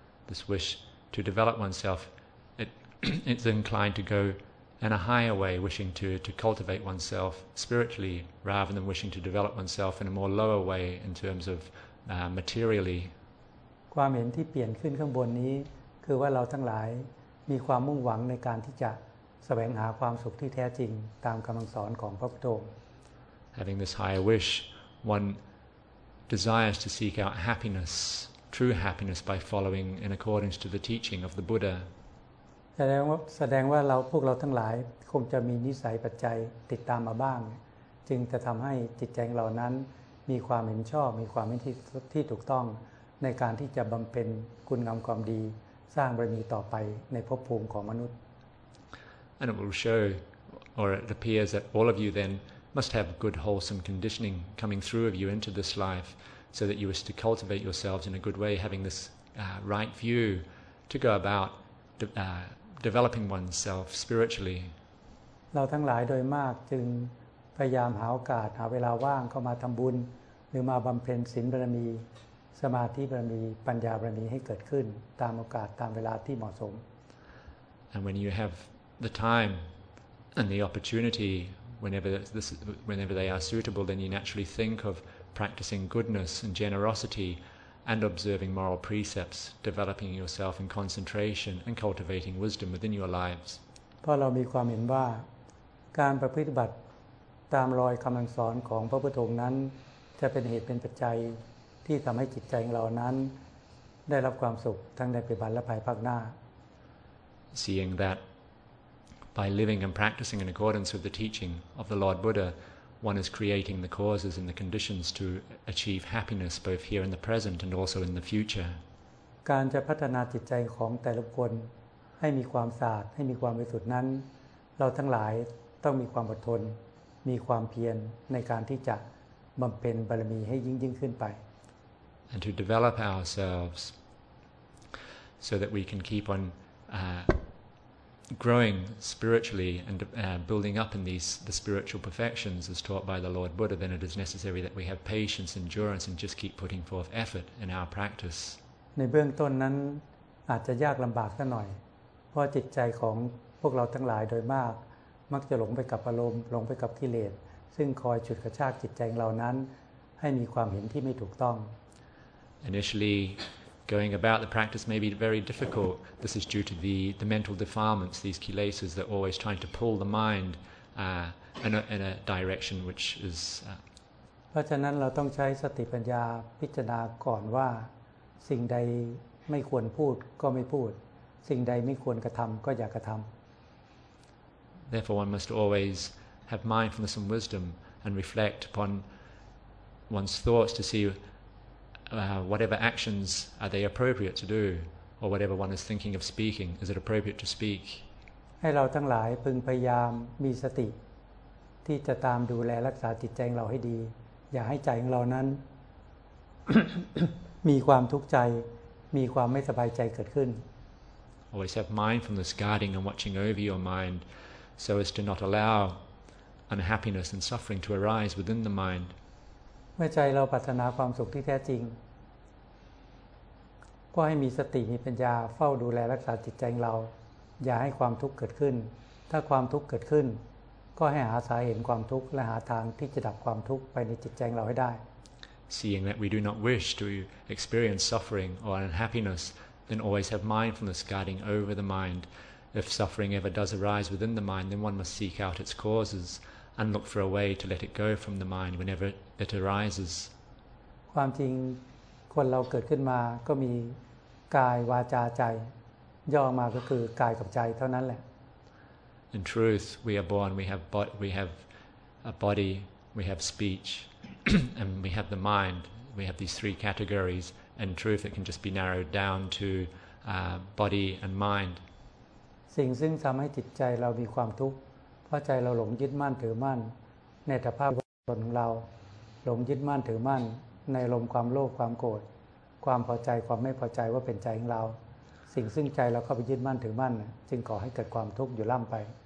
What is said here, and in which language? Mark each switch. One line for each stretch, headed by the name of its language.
English: This wish to develop oneself it's inclined to go in a higher way wishing to cultivate oneself spiritually rather than wishing to develop oneself in a more lower way in terms of materially
Thai: ความเห็นที่เปลี่ยนขึ้นข้างบนนี้คือว่าเราทั้งหลายมีความมุ่งหวังในการที่จะแสวงหาความสุขที่แท้จริงตามคำสอนของพระพุทธองค์
English: Having this higher wish, one desires to seek out happiness, true happiness, by following in accordance to the teaching of the Buddha.
Thai: แสดงว่าเราพวกเราทั้งหลายคงจะมีนิสัยปัจจัยติดตามมาบ้างจึงจะทำให้จิตใจเรานั้นมีความเห็นชอบมีความเห็นที่ถูกต้องในการที่จะบำเพ็ญคุณงามความดีสร้างบารมีต่อไปในภพภูมิของมนุษย์
English: And it will show, or it appears that all of you thenmust have good wholesome conditioning coming through of you into this life so that you wish to cultivate yourselves in a good way having this right view to go about developing oneself spiritually
Thai: เราทั้งหลายโดยมากจึงพยายามหาโอกาสหาเวลาว่างเข้ามาทำบุญหรือมาบำเพ็ญศีลบารมีสมาธิบารมีปัญญาบารมีให้เกิดขึ้นตามโอกาสตามเวลาที่เหมาะสม
English: and when you have the time and the opportunityWhenever they are suitable, then you naturally think of practicing goodness and generosity, and observing moral precepts, developing yourself in concentration, and cultivating wisdom within your lives. Because we have a view that
Thai: การประพฤติบัติตามรอยคำสอนของพระพุทธองค์นั้นจะเป็นเหตุเป็นปัจจัยที่ทำให้จิตใจของเรานั้นได้รับความสุขทั้งในปัจจุบันและภายภาคหน้า
English: Seeing that. By living and practicing in accordance with the teaching of the Lord Buddha, one is creating the causes and the conditions to achieve happiness both here in the present and also in the future.
Thai: การจะพัฒนาจิตใจของแต่ละคนให้มีความสะอาดให้มีความบริสุทธิ์นั้นเราทั้งหลายต้องมีความอดทนมีความเพียรในการที่จะบำเพ็ญบารมีให้ยิ่งขึ้นไป
English: And to develop ourselves so that we can keep on growing spiritually and building up in the spiritual perfections as taught by the Lord Buddha then it is necessary that we have patience endurance and just keep putting forth effort in our practice
Thai: ในเบื้องต้นนั้นอาจจะยากลำบากสักหน่อยเพราะจิตใจของพวกเราทั้งหลายโดยมากมักจะหลงไปกับอารมณ์หลงไปกับกิเลสซึ่งคอยฉุดกระชากจิตใจของเรานั้นให้มีความเห็นที่ไม่ถูกต้อง
English: initiallyGoing about the practice may be very difficult. This is due to the mental defilements, these kilesas that are always trying to pull the mind in a direction which is.
Thai: เพราะฉะนั้นเราต้องใช้สติปัญญาพิจารณาก่อนว่าสิ่งใดไม่ควรพูดก็ไม่พูดสิ่งใดไม่ควรกระทำก็อย่ากระทำ
English: Therefore, one must always have mindfulness and wisdom and reflect upon one's thoughts to see. Whatever actions are they appropriate to do, or whatever one is thinking of speaking, is it appropriate to speak?
Thai: ให้เราทั้งหลายพึงพยายามมีสติที่จะตามดูแลรักษาจิตใจของเราให้ดีอย่าให้ใจของเรานั้น มีความทุกข์ใจมีความไม่สบายใจเกิดขึ้น
English: Always have mindfulness guarding and watching over your mind, so as to not allow unhappiness and suffering to arise within the mind.
Thai: เมื่อใจเราปรารถนาความสุขที่แท้จริงก็ให้มีสติมีปัญญาเฝ้าดูแลรักษาจิตใจของเราอย่าให้ความทุกข์เกิดขึ้นถ้าความทุกข์เกิดขึ้นก็ให้หาสาเหตุความทุกข์และหาทางที่จะดับความทุกข์ไปในจิตใจของเราให้ได้
English: Seeing that we do not wish to experience suffering or unhappiness then always have mindfulness guarding over the mind if suffering ever does arise within the mind then one must seek out its causesAnd look for a way to let it go from the mind whenever it arises.
Thai: ความจริงคนเราเกิดขึ้นมาก็มีกายวาจาใจ ย่อมาก็คือกายกับใจเท่านั้นแหละ
English: In truth we are born we have a body we have speech and we have the mind we have these three categories and truth it can just be narrowed down to body and mind
Thai: สิ่งซึ่งทำให้จิตใจเรามีความทุกข์เพราะใจเราหลงยึดมั่นถือมั่นในอัตภาพตนของเราหลงยึดมั่นถือมั่นในลมความโลภความโกรธความพอใจความไม่พอใจว่าเป็นใจของเราสิ่งซึ่งใจเราเข้าไปยึดมั่นถือมั่นจึงก่อให้เกิดความทุกข์อยู่ล่ำไป